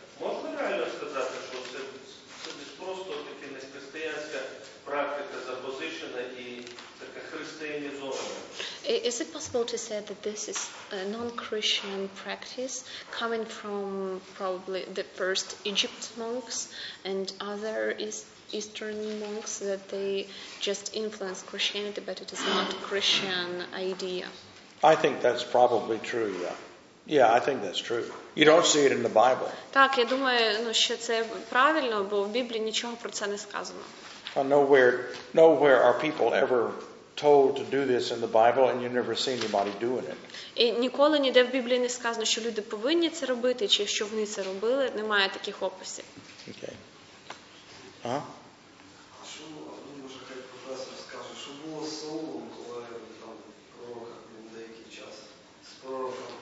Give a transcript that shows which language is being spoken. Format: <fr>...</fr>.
<uk>Можна реально сказати, що це не просто така християнська практика запозичена і така християнізована?</uk> <en>is it possible to say that this is a non-Christian practice coming from probably the first Egypt monks and other Eastern monks, that they just influenced Christianity, but it is not a Christian idea? I think that's probably true, yeah. Yeah, I think that's true. You don't see it in the Bible.</en> <uk>Так, я думаю, ну, що це правильно, бо в Біблії нічого про це не сказано.</uk> <en>Nowhere are people ever told to do this in the Bible, and you never see anybody doing it.</en> <uk>І ніколи ніде в Біблії не сказано, що люди повинні це робити, чи що вони це робили, немає таких описів.</uk> <en>Okay. А?</en> <uk>Чому, він може хай професор скаже, що було з Саулом, коли там пророк був деякий час з пророком?</uk>